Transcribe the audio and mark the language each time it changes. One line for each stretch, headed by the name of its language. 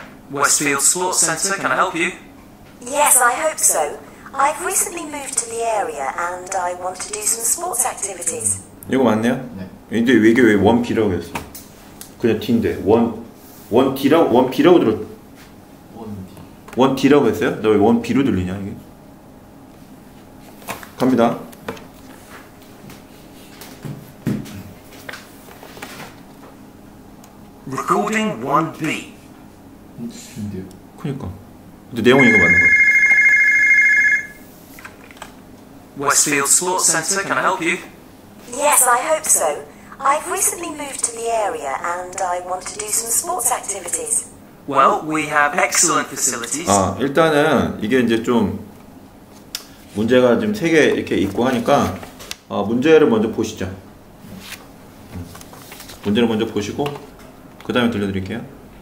English: Westfield Sports Centre, can I help you? Yes, I hope so. I've recently moved to the area and I want to do some sports activities.
Korean: 이거 맞네요? 네. 근데 이게 왜 1P라고 했어? 그냥 T인데. 1T라고? 1P라고 들었... 1D. 1T라고 했어요? 너 왜 1P로 들리냐, 이게? 갑니다. 레코딩 1B. 그니까. 근데 내용은 이거 맞는 거 같아.
English: Westfield Sports Centre, can I help you? Yes, I hope so. I've recently moved to the area and I want to do some sports activities. Well, we have excellent facilities.
Korean: 아, 일단은 이게 이제 좀 문제가 지금 세 개 이렇게 있고 하니까 문제를 먼저 보시죠. 문제를 먼저 보시고 그 다음에 들려드릴게요.